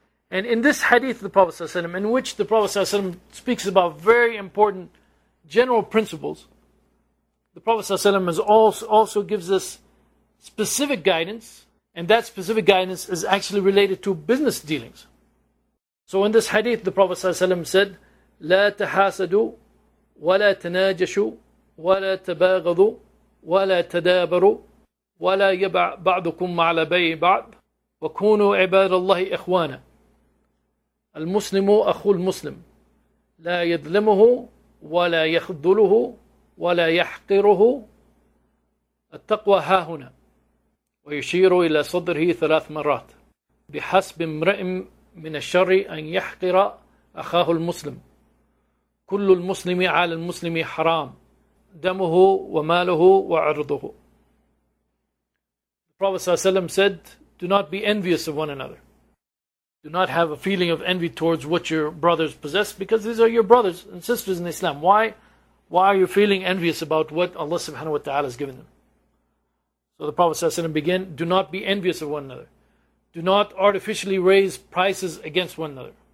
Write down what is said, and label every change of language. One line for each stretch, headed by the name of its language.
English: And in this hadith of the Prophet ﷺ, in which the Prophet ﷺ speaks about very important general principles, the Prophet ﷺ also gives us specific guidance, and that specific guidance is actually related to business dealings. So in this hadith, the Prophet ﷺ said,
Arabic: لا تحاسدوا ولا تناجشوا ولا تباغضوا ولا تدابروا ولا يبع بعضكم على بيع بعض وكونوا عباد الله إخوانا المسلم أخو المسلم لا يظلمه ولا يخذله ولا يحقره التقوى ها هنا ويشير إلى صدره 3 مرات بحسب امرئ من الشر أن يحقر أخاه المسلم كل المسلم على المسلم حرام دمه وماله وعرضه.
English: The Prophet ﷺ said, Do not be envious of one another. Do not have a feeling of envy towards what your brothers possess, because these are your brothers and sisters in Islam. Why are you feeling envious about what Allah subhanahu wa ta'ala has given them? So the Prophet sallallahu alaihi wasallam began, do not be envious of one another. Do not artificially raise prices against one another.